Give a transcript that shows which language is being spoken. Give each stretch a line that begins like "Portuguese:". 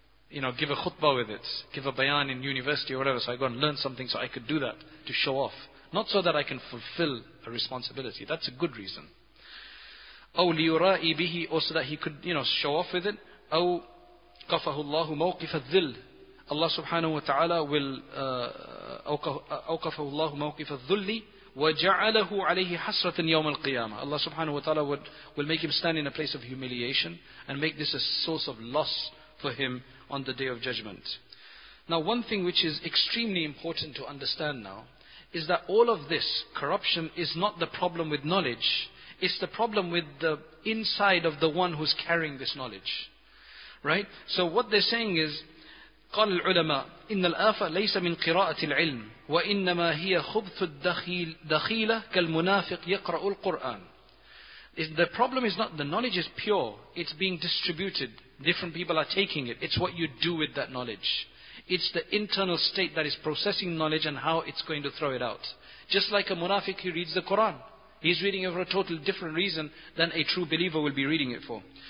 English: You know, give a khutbah with it. Give a bayan in university or whatever. So I go and learn something so I could do that to show off. Not so that I can fulfill a responsibility. That's a good reason.
Arabic: أو لِيُرَاءِ بِهِ,
English: or so that he could, you know, show off with it.
Arabic: أو قَفَهُ اللَّهُ مَوْقِفَ الذِّلِّ.
English: Allah subhanahu wa ta'ala will
Arabic: أَوْقَفَهُ اللَّهُ مَوْقِفَ الذُّلِّ وَجَعَلَهُ عَلَيْهِ حَسْرَةً يَوْمَ الْقِيَامَةِ.
English: Allah subhanahu wa ta'ala will make him stand in a place of humiliation and make this a source of loss for him on the day of judgment. Now one thing which is extremely important to understand now is that all of this corruption is not the problem with knowledge. It's the problem with the inside of the one who's carrying this knowledge. Right? So what they're saying is,
Arabic: قال العلماء إن الآفة ليس من قراءة العلم وإنما هي خبث الدخيل دخيلة كالمنافق يقرأ القرآن.
English: The problem is not the knowledge is pure, it's being distributed, different people are taking it, it's what you do with that knowledge. It's the internal state that is processing knowledge and how it's going to throw it out. Just like a munafiq who reads the Quran, he's reading it for a totally different reason than a true believer will be reading it for.